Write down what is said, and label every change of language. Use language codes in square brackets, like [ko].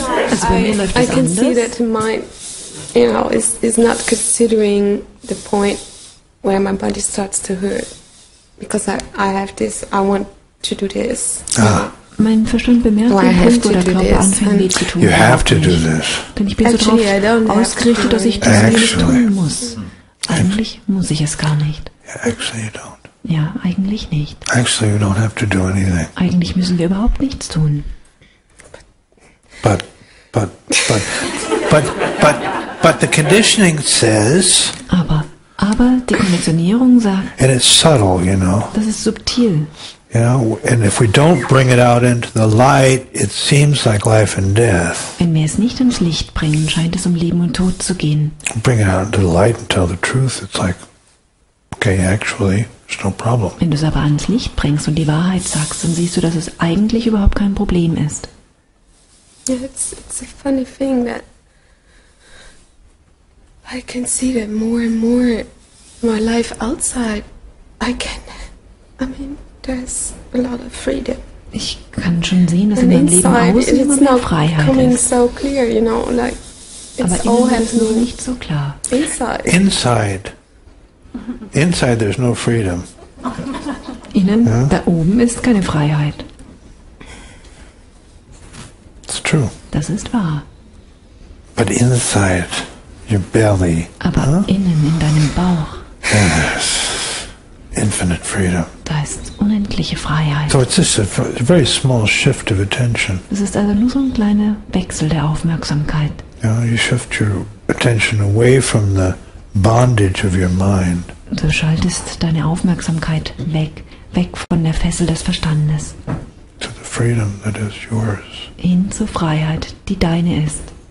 [de] Also bei mir läuft das anders. [en] I can see that the mind, you know, is not considering the point where my body starts to hurt, because I have this, I want to do this. Ah. [de] Mein Verstand bemerkt den Punkt, wo der Körper anfängt, weh zu tun. [en] You have to do this. [de] Denn ich bin so darauf ausgerichtet, dass ich das nicht tun muss. Eigentlich muss ich es gar nicht. Ja, eigentlich nicht. [en] Actually, you don't have to do anything. [de] Eigentlich müssen wir überhaupt nichts tun. [en] But the conditioning says. [de] Aber die Konditionierung sagt. [en] And it's subtle, you know. [de] Das ist subtil. [en] You know, and if we don't bring it out into the light, it seems like life and death. [de] Wenn wir es nicht ins Licht bringen, scheint es um Leben und Tod zu gehen. [en] Bring it out into the light and tell the truth. It's like, okay, actually, it's no problem. [de] Wenn du es aber ans Licht bringst und die Wahrheit sagst, dann siehst du, dass es eigentlich überhaupt kein Problem ist. [en] Yeah, it's a funny thing that I can see that more and more my life outside, there's a lot of freedom. [de] Ich kann schon sehen, dass in deinem Leben außen immer mehr Freiheit ist. [en] So clear, you know, like it's [de] aber all innen ist nur nicht so klar. [en] Inside there's no freedom. [de] Innen, yeah? Da oben ist keine Freiheit. [en] It's true. [de] Das ist wahr. [en] But inside your belly. [de] Aber innen in deinem Bauch. [en] Yes. Infinite freedom. [de] Da ist unendliche Freiheit. [en] So it's just a very small shift of attention. [de] Es ist also nur so ein kleiner Wechsel der Aufmerksamkeit. [en] You know, you shift your attention away from the bondage of your mind. [de] Du schaltest deine Aufmerksamkeit weg von der Fessel des Verstandes. [en] To the freedom that is yours. [de] Hin zur Freiheit, die deine ist.